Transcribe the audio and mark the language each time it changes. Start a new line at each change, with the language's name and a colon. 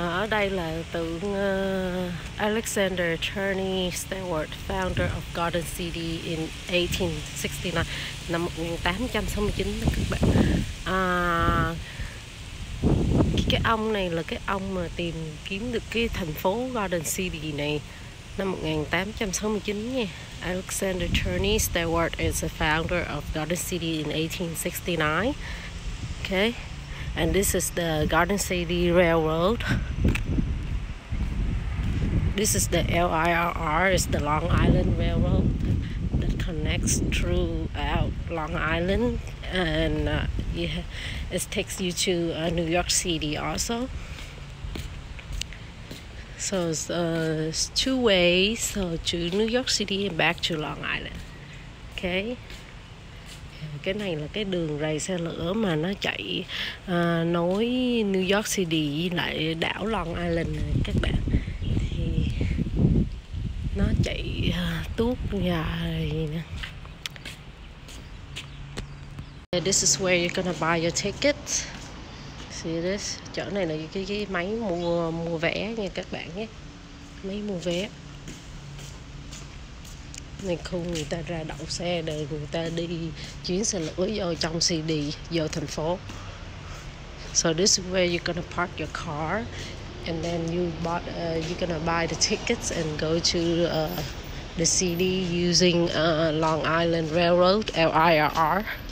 Vietnamese: Đây là tượng Alexander Cherney Stewart,
English: founder of Garden City in 1869,
Vietnamese: năm 1869 các bạn. Cái ông này là cái ông mà tìm kiếm được cái thành phố Garden City này năm 1869 nha.
English: Alexander Cherney Stewart is the founder of Garden City in 1869. Okay. And this is the Garden City Railroad. This is the LIRR, it's the Long Island Railroad that connects throughout Long Island, and it takes you to New York City also. So it's two ways, so to New York City and back to Long Island. Okay.
Vietnamese: Cái này là cái đường rầy xe lửa mà nó chạy nối New York City lại đảo Long Island này, các bạn. Nó chạy tuốt dài.
English: This is where you're gonna buy your ticket. See this?
Vietnamese: Chỗ này là cái máy mua vé nha các bạn nhé. Máy mua vé. Này khu người ta ra đậu xe để người ta đi chuyến xe lửa vô trong CD, vô thành phố.
English: So this is where you're gonna park your car. And then you're gonna buy the tickets and go to the city using Long Island Railroad, LIRR.